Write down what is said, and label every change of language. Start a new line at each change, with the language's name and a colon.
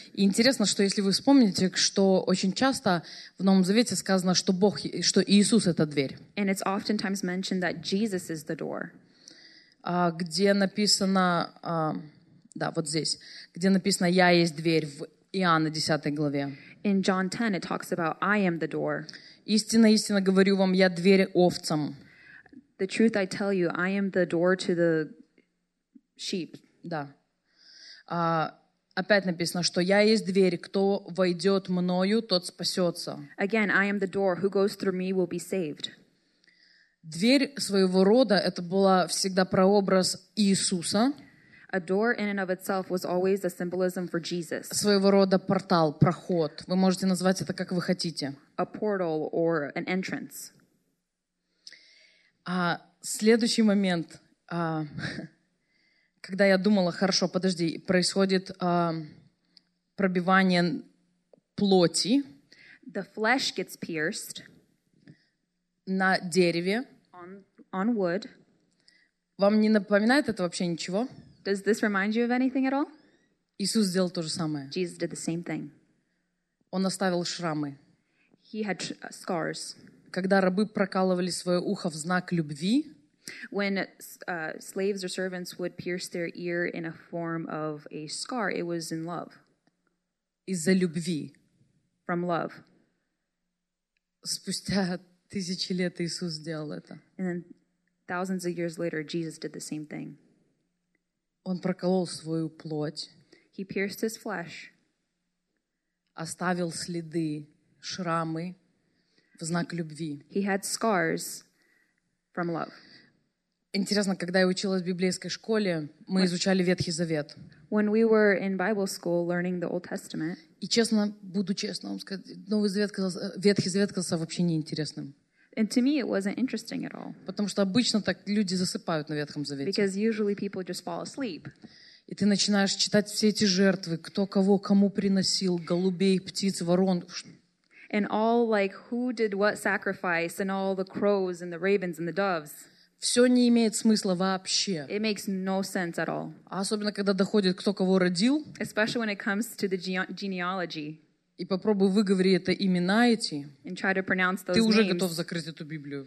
Russian: И интересно, что если вы вспомните, что очень часто в Новом Завете сказано, что Бог, что Иисус — это дверь.
English: And it's oftentimes mentioned that Jesus is the door.
Russian: Где написано, да, вот здесь, где написано «Я есть дверь» в Иоанна 10 главе.
English: In John 10 it talks about I am the door.
Russian: Истинно, истинно говорю вам, я дверь овцам.
English: The truth I tell you, I am the door to the sheep.
Russian: Да. Опять написано, что я есть дверь, кто войдет мною, тот спасется.
English: Again, I am the door, who goes through me will be saved.
Russian: Дверь своего рода, это была всегда прообраз Иисуса.
English: A door in and of itself was always a symbolism for Jesus.
Russian: Своего рода портал, проход. Вы можете назвать это как вы хотите.
English: A portal or an entrance.
Russian: Следующий момент, когда я думала, хорошо, подожди, происходит пробивание плоти.
English: The flesh gets pierced.
Russian: На дереве.
English: On wood.
Russian: Вам не напоминает это вообще ничего?
English: Does this remind you of anything at all?
Russian: Иисус сделал то же самое.
English: Jesus did the same thing.
Russian: Он оставил шрамы.
English: He had scars.
Russian: Когда рабы прокалывали свое ухо в знак любви,
English: when slaves or servants would pierce their ear in a form of a scar, it was in love.
Russian: Из-за любви.
English: From love.
Russian: Спустя тысячи лет Иисус сделал это.
English: And then thousands of years later, Jesus did the same thing.
Russian: Он проколол свою плоть.
English: He pierced his flesh.
Russian: Оставил следы, шрамы в знак любви.
English: He had scars from love.
Russian: Интересно, когда я училась в библейской школе, мы изучали Ветхий Завет.
English: When we were in Bible school learning the Old Testament.
Russian: И честно, буду честно вам сказать, Новый Завет казался, Ветхий Завет казался вообще неинтересным.
English: And to me, it wasn't interesting at all.
Russian: Потому что обычно так люди засыпают на Ветхом Завете.
English: Because usually people just fall asleep.
Russian: И ты начинаешь читать все эти жертвы, кто кого кому приносил, голубей, птиц, ворон.
English: And all like who did what sacrifice, and all the crows and the ravens and the doves.
Russian: Все не имеет смысла вообще.
English: It makes no sense at all.
Russian: Особенно когда доходит, кто кого родил.
English: Especially when it comes to the genealogy.
Russian: И попробуй выговори это имена эти. Ты уже
English: names.
Russian: Готов закрыть эту Библию.